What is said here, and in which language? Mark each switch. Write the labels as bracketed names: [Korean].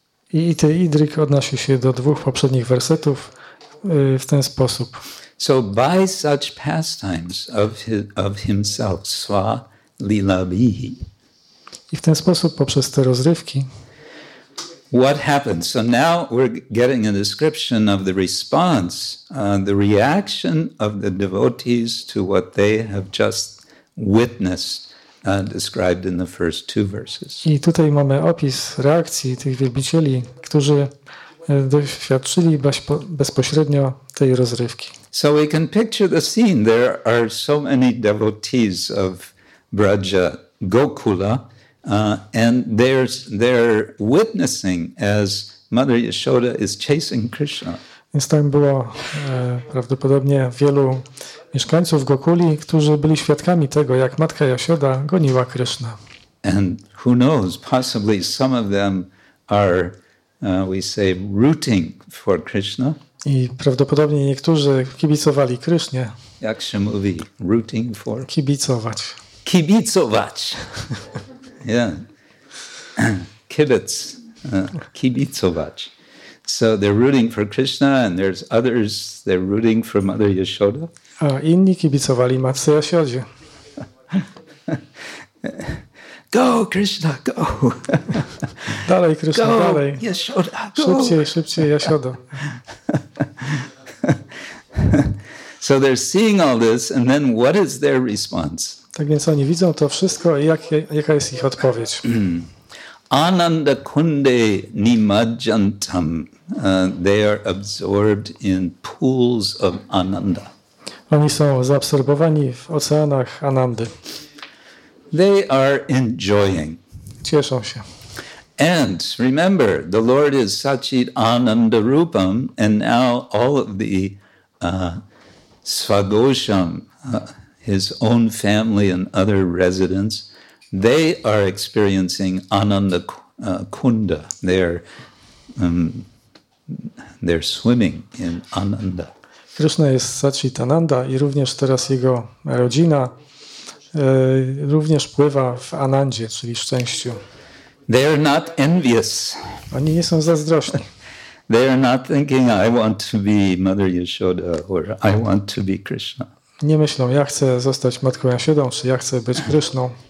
[Polish] Iti idrik odnosi się do dwóch poprzednich wersetów w ten sposób. [English] So by such pastimes of himself, [Sanskrit] swa lilabihi. [Polish] I w ten sposób poprzez te rozrywki. [English] What happens? So now we're getting a description of the response, the reaction of the devotees to what they have just witnessed, described in the first two verses. [Polish] I tutaj mamy opis reakcji tych wielbicieli, którzy doświadczyli bezpośrednio tej rozrywki. [English] So we can picture the scene. There are so many devotees of Braja Gokula, and they're witnessing as Mother Yashoda is chasing Krishna. [Polish] Więc tam było prawdopodobnie wielu mieszkańców Gokuli, którzy byli świadkami tego, jak Matka Yashoda goniła Krishna. [English] And who knows, possibly some of them are, we say, rooting for Krishna. [Polish] I prawdopodobnie niektórzy kibicowali Krysznie. Jak się mówi, [English] rooting for? [Polish] Kibicować. Kibicować. Yeah. Kibitz. Kibicować. [English] So they're rooting for Krishna, and there's others, they're rooting for Mother Yashoda. [Polish] A inni kibicowali Matce Yashodzie. [English] Go, Krishna, go! [Polish] Dalej, Krishna, [English] go, [Polish] dalej. [English] Yashoda, go! [Polish] Szybciej, szybciej, Yashoda. [English] So they're seeing all this, and then what is their response? [Polish] Tak więc oni widzą to wszystko i jaka jest ich odpowiedź? [Sanskrit] Ananda kunde nimajantam. [English] They are absorbed in pools of ananda. [Polish] Oni są zaabsorbowani w oceanach anandy. [English] They are enjoying. [Polish] Cieszą się. [English] And remember, the Lord is Sachit Ananda Rupam, and now all of the Svagosham, his own family and other residents, they are experiencing Ananda Kunda. They're swimming in Ananda. [Polish] Krishna jest Sachit Ananda i również teraz jego rodzina również pływa w Anandzie, czyli w szczęściu. [English] They are not envious. [Polish] Oni nie są zazdrośni. [English] They are not thinking, I want to be Mother Yashoda or I want to be Krishna. [Polish] Nie myślą, ja chcę zostać Matką Yashodą, czy ja chcę być Kryszną.